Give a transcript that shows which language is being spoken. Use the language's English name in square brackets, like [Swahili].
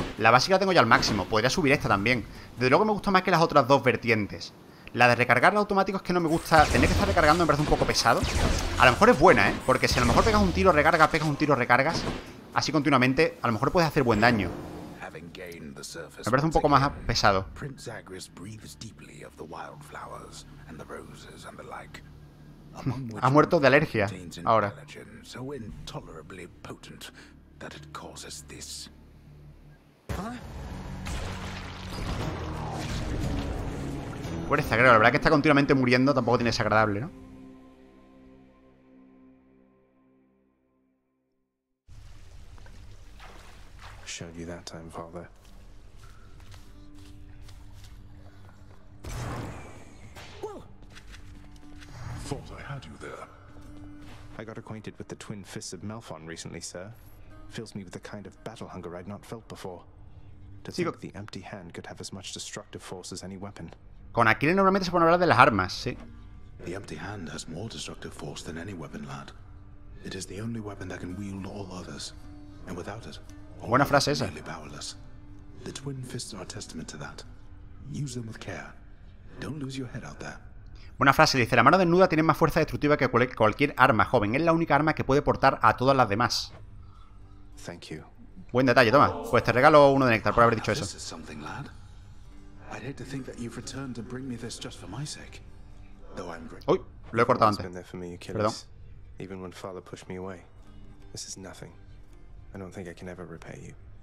[Spanish] La básica la tengo ya al máximo, podría subir esta también. Desde luego me gusta más que las otras dos vertientes. La de recargar la automática es que no me gusta... Tener que estar recargando me parece un poco pesado. A lo mejor es buena, ¿eh? Porque si a lo mejor pegas un tiro, recargas, pegas un tiro, recargas... Así continuamente, a lo mejor puedes hacer buen daño. Me parece un poco más pesado. [English] Prince Zagreus breathes deeply of the wildflowers and the roses and the like. [Spanish] Ha muerto de alergia ahora. [English] So intolerably potent that it causes this. [Spanish] Pobre Zagreus, la verdad que está continuamente muriendo, tampoco tiene desagradable, ¿no? [English] Showed you that time, father. Thought I had you there. I got acquainted with the twin fists of Melfon recently, sir. Fills me with the kind of battle hunger I'd not felt before. To think the empty hand could have as much destructive force as any weapon. [Spanish] Con Aquiles normalmente se pone a hablar de las armas, sí. [English] The empty hand has more destructive force than any weapon, lad. It is the only weapon that can wield all others, and without it. [Spanish] Buena frase esa. [English] The twin fists are a testament to that. Use them with care. Don't lose your head out there. [Spanish] Buena frase, dice, la mano desnuda tiene más fuerza destructiva que cualquier arma, joven. Es la única arma que puede portar a todas las demás. [English] Thank you. [Spanish] Buen detalle, toma. Pues te regalo uno de néctar por haber dicho eso. [English] This is something, lad. I'd hate to think that you've returned to bring me this just for my sake. Though I'm great. [Spanish] Uy, lo he cortado antes. Perdón. [English] Even when father pushed me away. This is nothing. I don't think I can ever repay you.